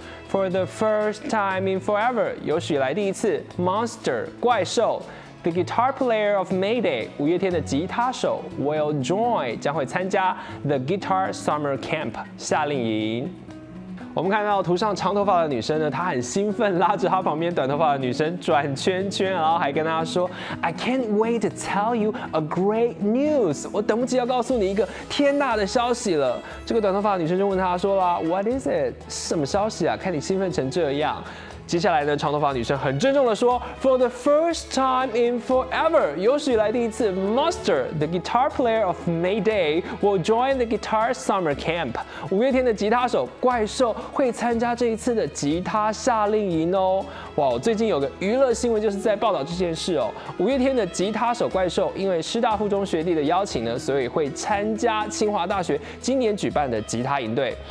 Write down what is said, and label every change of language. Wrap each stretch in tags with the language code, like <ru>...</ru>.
<en>For the first time in forever，</en> <zh>有史以来第一次</zh> <en>，Monster 怪兽。 The guitar player of Mayday，</en> <zh>五月天的吉他手</zh> <en>，will join</en> <zh>将会参加</zh> <en>the guitar summer camp</en> <zh>夏令营。我们看到图上长头发的女生呢，她很兴奋，拉着她旁边短头发的女生转圈圈，然后还跟她说 ，</zh> <en>I can't wait to tell you a great news，</en> <zh>我等不及要告诉你一个天大的消息了。这个短头发的女生就问她说了</zh> <en>，What is it？</en> <zh>什么消息啊？看你兴奋成这样。接下来呢，长头发女生很郑重地说</zh> <en>：“For the first time in forever， 有史以来第一次 ，Monster， the guitar player of Mayday， will join the guitar summer camp。</en> <zh>五月天的吉他手怪兽会参加这一次的吉他夏令营哦。哇，最近有个娱乐新闻就是在报道这件事哦。五月天的吉他手怪兽因为师大附中学弟的邀请呢，所以会参加清华大学今年举办的吉他营队。</zh>